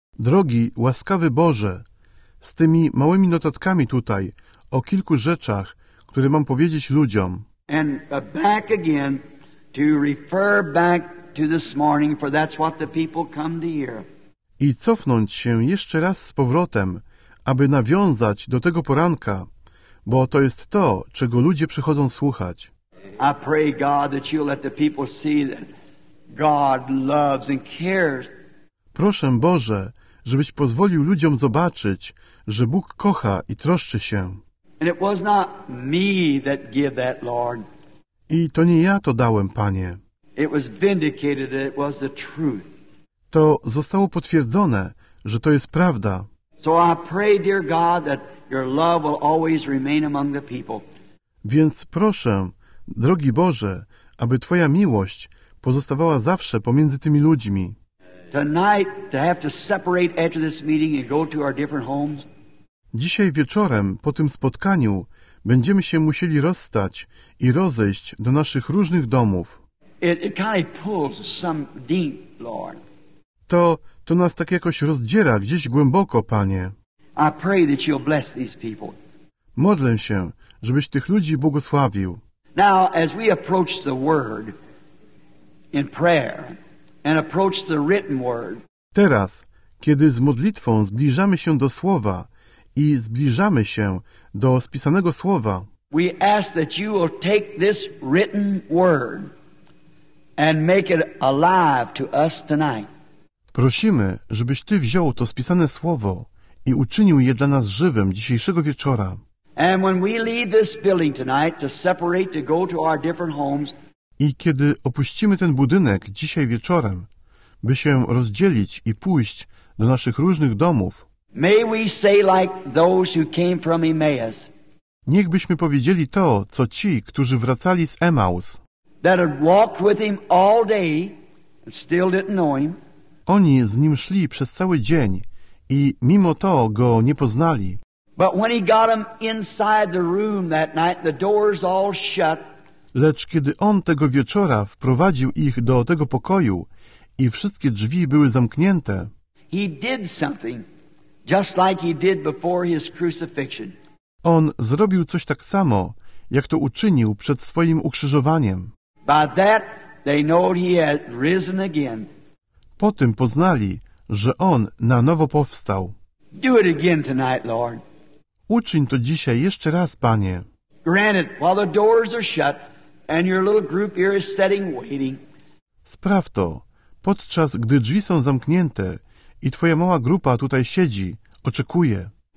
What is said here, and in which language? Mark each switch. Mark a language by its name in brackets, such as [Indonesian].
[Polish] Drogi, łaskawy Boże, z tymi małymi notatkami tutaj o kilku rzeczach, które mam powiedzieć ludziom. [English] And back again to refer back to this morning, for that's what the people come to hear. [Polish] I cofnąć się jeszcze raz z powrotem, aby nawiązać do tego poranka, bo to jest to, czego ludzie przychodzą słuchać. [English] I pray God that you let the people see that God loves and cares. [Polish] Proszę Boże, żebyś pozwolił ludziom zobaczyć, że Bóg kocha i troszczy się. [English] And it was not me that gave that, Lord. [Polish] I to nie ja to dałem, Panie. [English] It was vindicated that it was the truth. [Polish] To zostało potwierdzone, że to jest prawda. [English] So I pray, dear God, that your love will always remain among the people. [Polish] Więc proszę, drogi Boże, aby Twoja miłość pozostawała zawsze pomiędzy tymi ludźmi. [English] Tonight, to have to separate after this meeting and go to our different homes. [Polish] Dzisiaj wieczorem, po tym spotkaniu, będziemy się musieli rozstać i rozejść do naszych różnych domów. [English] It kind of pulls some deep, Lord. [Polish] To nas tak jakoś rozdziera gdzieś głęboko, Panie. [English] I pray that you'll bless these people. [Polish] Modlę się, żebyś tych ludzi błogosławił. [English] Now, as we approach the word in prayer and approach the written word. [Polish] Teraz, kiedy z modlitwą zbliżamy się do Słowa, i zbliżamy się do spisanego słowa. [English] We ask that you will take this written word and make it alive to us tonight. [Polish] Prosimy, żebyś ty wziął to spisane słowo i uczynił je dla nas żywym dzisiejszego wieczora. [English] And when we leave this building tonight to separate to go to our different homes. [Polish] I kiedy opuścimy ten budynek dzisiaj wieczorem, by się rozdzielić i pójść do naszych różnych domów. [English] May we say like those who came from Emmaus. [Polish] Niech byśmy powiedzieli to, co ci, którzy wracali z Emaus. [English] That had walked with him all day and still didn't know him. [Polish] Oni z nim szli przez cały dzień i mimo to go nie poznali. [English] But when he got him inside the room that night, the doors all shut. [Polish] Lecz kiedy on tego wieczora wprowadził ich do tego pokoju i wszystkie drzwi były zamknięte. [English] He did something. Just like he did before his crucifixion. [Polish] On zrobił coś tak samo, jak to uczynił przed swoim ukrzyżowaniem. [English] By that they know he had risen again. [Polish] Po tym poznali, że on na nowo powstał. [English] Do it again tonight, Lord. [Polish] Uczyń to dzisiaj jeszcze raz, Panie. [English] Granted, while the doors are shut and your little group here is sitting waiting. [Polish] Spraw to, podczas gdy drzwi są zamknięte. I Twoja mała grupa tutaj siedzi, oczekuje.